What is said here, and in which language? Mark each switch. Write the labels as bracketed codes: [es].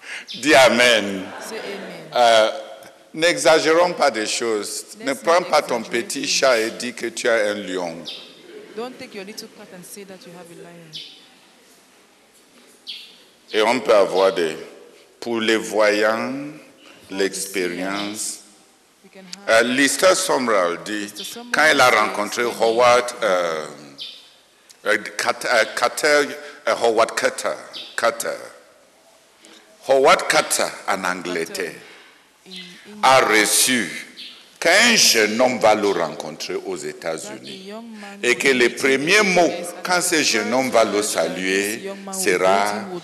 [fr] Dis amen. N'exagérons pas des choses. Ne prends pas ton petit chat et dis que tu as un lion. [en] Don't take your little cat and say that you have a lion. [fr] Et on peut avoir des. Pour les voyants, l'expérience. Lister Sumrall dit, quand il a rencontré Howard Carter, Howard Carter en Angleterre, a reçu qu'un jeune homme va le rencontrer aux États-Unis et que le premier mot quand ce jeune homme va le saluer sera